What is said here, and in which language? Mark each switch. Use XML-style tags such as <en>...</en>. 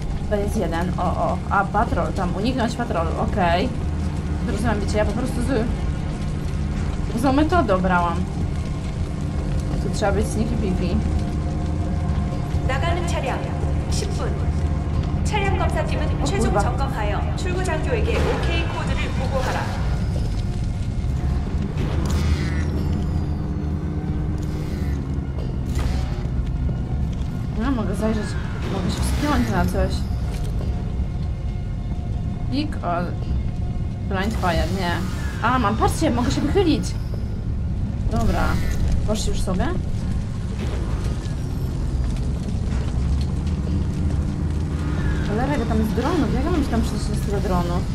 <pl>To jest jeden. O. A patrol tam. Uniknąć patrolu. Okej. Okay. Rozumiem, wiecie, ja po prostu złą metodę obrałam. Tu trzeba być</pl> <en>sneaky peeki.</en> <ko>나가는 차량 10분. 차량 검사팀은 최종 점검하여 출구 장교에게 OK 코드를 보고하라. 아, 뭔가 사이즈 뭔가 스피어한 게 나타났어.</ko> <en>Pick or blind fire,</en> <pl>nie. A, mam, patrzcie, mogę się wychylić. Dobra. Poszli już sobie? Cholera, jak tam jest dronów? Jak ja mam się tam przyjść z tego dronu?</pl>